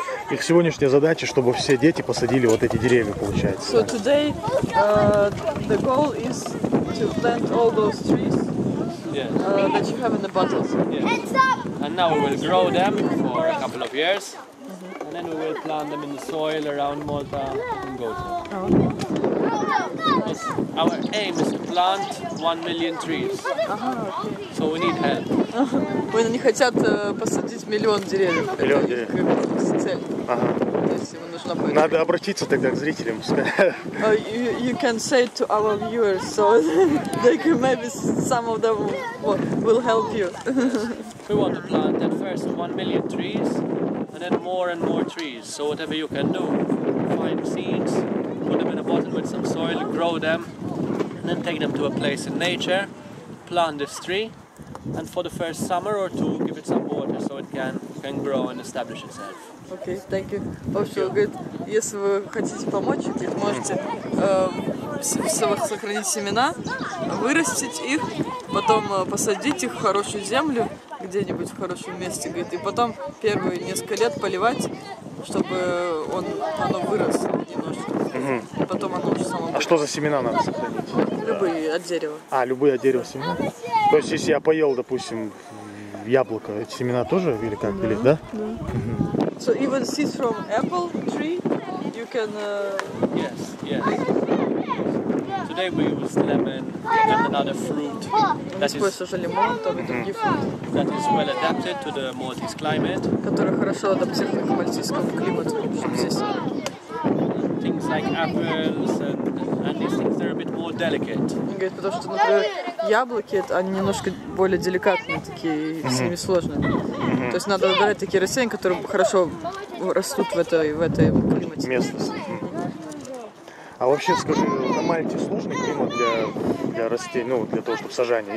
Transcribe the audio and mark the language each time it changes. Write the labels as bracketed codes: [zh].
[ru] Их сегодняшняя задача, чтобы все дети посадили вот эти деревья, получается. [en] So today the goal is to plant all those trees that you have in the bottles. Yeah. And now we will grow them for a couple of years, and then we will plant them in the soil around Malta and Gotha. Our aim is to plant 1 million trees. So we need help. [ru] Мы не хотят посадить миллион деревьев. Миллион деревьев. Цель. Ага. Надо обратиться тогда к зрителям. [en] You can say to our viewers, so they can maybe some of them will help you. We want to plant at first 1 million trees, and then more and more trees. So whatever you can do, find seeds, put them in a bottle with some soil, grow them, and then take them to a place in nature, plant this tree, and for the first summer or two, give it some water so it can grow and establish itself. Окей, okay, thank you. [ru] Вообще, говорит, если вы хотите помочь, то можете сохранить семена, вырастить их, потом посадить их в хорошую землю, где-нибудь в хорошем месте, говорит, и потом первые несколько лет поливать, чтобы оно вырос немножечко. Mm-hmm. И потом оно уже само. А что за семена надо сохранить? Любые, от дерева. А, любые от дерева семена? То есть, если я поел, допустим, яблоко, эти семена тоже или как, или, да? Да. Mm-hmm. [en] So even seeds from apple tree, you can... Yes, yes. Today we use lemon and another fruit that is well adapted to the Maltese climate. [ru] Который хорошо адаптирован к мальтийскому климату, чтобы здесь... [en] Things like apples and these things, they're a bit more delicate. [ru] Он говорит, потому что, например, яблоки, они немножко более деликатные такие, с ними сложно. То есть надо выбирать такие растения, которые хорошо растут в этой климате. Местности. А вообще, скажи, на Мальте сложный климат для растений, ну, для того, чтобы сажание?